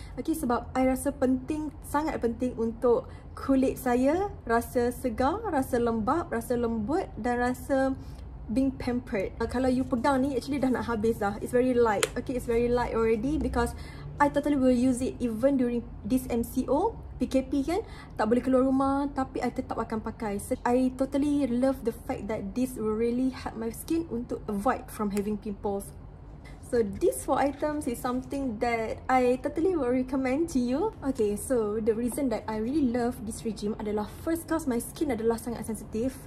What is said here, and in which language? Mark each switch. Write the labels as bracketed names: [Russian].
[Malay] Okay, sebab I rasa penting, sangat penting untuk kulit saya rasa segar, rasa lembap, rasa lembut dan rasa [English] being pampered. [Malay] Kalau you pegang ni, actually dah nak habis dah. [English] It's very light. Okay, it's very light already because I totally will use it even during this MCO. [Malay] PKP kan, tak boleh keluar rumah tapi I tetap akan pakai. [English] So, I totally love the fact that this will really help my skin [Malay] untuk [English] avoid from having pimples. So these four items is something that I totally will recommend to you. Okay, so the reason that I really love this regime [Malay] adalah [English] first cause my skin [Malay] adalah sangat [English] sensitive.